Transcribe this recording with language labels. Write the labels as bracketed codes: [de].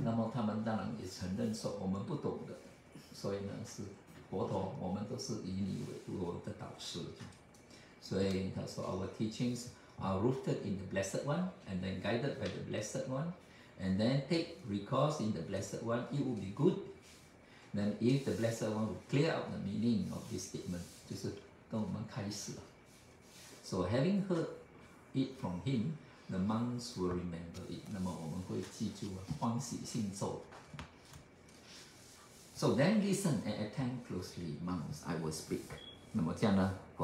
[zh] 佛陀问了他们，当然他们不知道。他们说呢，我们呢都是以如来，是我们的老师导师这类，所以呢，他这样的讲呢，所以呢，请导师呢开示给我们。那么这样呢，我们听了之后呢，我们记住，因为他们没有这个智慧。真的，佛陀是特别要讲这个，可是他提出一个问题来问他们，那么他们当然也承认说我们不懂的。所以呢，是佛陀，我们都是以你为我的导师。所以他说 [en] ，Our teachings are rooted in the Blessed One, and then guided by the Blessed One, and then take recourse in the Blessed One. It would be good. Then if the Blessed One would clear up the meaning of this statement, [zh] 就是跟我们开始了。 [en] So having heard it from him, the monks will remember it. [zh] 那么我们会记住啊，欢喜信受。 [en] So then listen and attend closely, monks, I will speak.